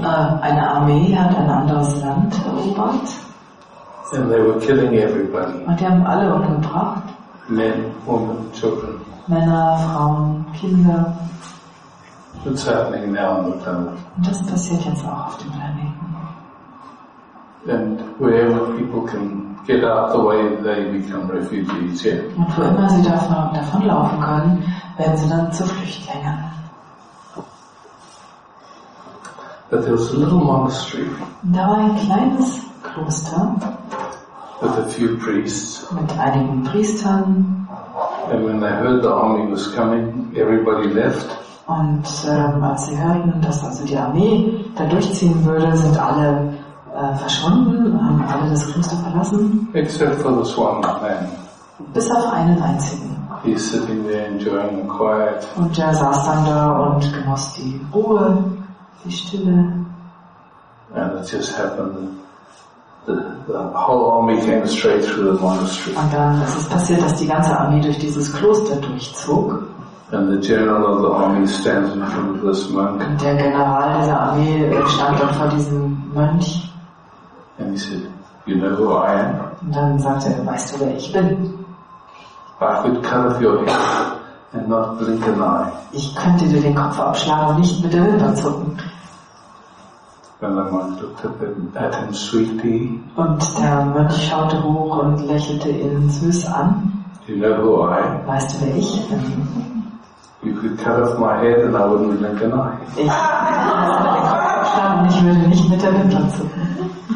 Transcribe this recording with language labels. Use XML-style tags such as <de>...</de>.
<de>Eine Armee hat ein anderes Land erobert.</de> <en>And they were killing everybody.</en> <de>Und die haben alle umgebracht.</de> <en>Men, women, children.</en> <de>Männer, Frauen, Kinder.</de> <en>What's happening now on the planet?</en> <de>Und das passiert jetzt auch auf dem Planeten.</de> <en>And wherever people can get out of the way, they become refugees here.</en> <de>Und wo immer sie davonlaufen können, werden sie dann zu Flüchtlingen.</de> <en>But there was a little monastery.</en> <de>Da war ein kleines Kloster.</de> <en>With a few priests.</en> <de>Mit einigen Priestern.</de> <en>And when they heard the army was coming, everybody left.</en> <de>Und als sie hörten, dass also die Armee da durchziehen würde, sind alle verschwunden, haben alle das Kloster verlassen.</de> <en>Except for this one man.</en> <de>Bis auf einen einzigen.</de> <en>He's sitting there enjoying the quiet.</en> <de>Und der saß dann da und genoss die Ruhe, die Stille.</de> <en>And it just happened. The whole army came straight through the monastery.</en> <de>Und dann ist es passiert, dass die ganze Armee durch dieses Kloster durchzog.</de> <en>And the general of the army stands in front of this monk.</en> <de>Und der General der Armee stand dann vor diesem Mönch.</de> <en>And he said, "You know who I am?"</en> <de>Und dann sagte er, weißt du, wer ich bin?</de> <en>I could cut off your head and not blink an eye.</en> <de>Ich könnte dir den Kopf abschlagen und nicht mit der Wimper zucken.</de> <en>And the monk looked at him sweetly.</en> <de>Und der Mönch schaute hoch und lächelte ihn süß an.</de> <en>You know who I am?</en> <de>Weißt du, wer ich bin?</de> <en>You could cut off my head and I wouldn't blink an eye.</en> <de>Ich würde den Kopf abschlagen und ich würde nicht mit der Wimper zucken.</de>